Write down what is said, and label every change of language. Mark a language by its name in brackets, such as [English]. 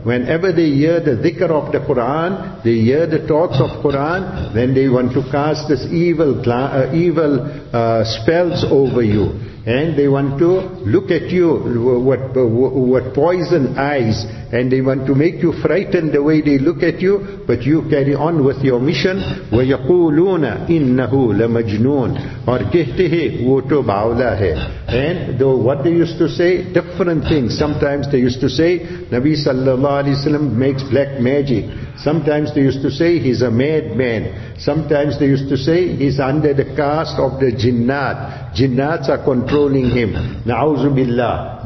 [English] Whenever they hear the dhikr of the Quran, they hear the talks of Quran, then they want to cast this evil spells over you. And they want to look at you with poison eyes, and they want to make you frightened the way they look at you, but you carry on with your mission. [Arabic] وَيَقُولُونَ إِنَّهُ لَمَجْنُونَ [Urdu] اور کہتے ہیں وہ تو باولا ہے. [English] And though what they used to say, different things. Sometimes they used to say Nabi sallallahu alayhi wa sallam makes black magic. Sometimes they used to say he's a madman. Sometimes they used to say he's under the caste of the jinnat. Jinnats are controlling him. Na'uzu billah.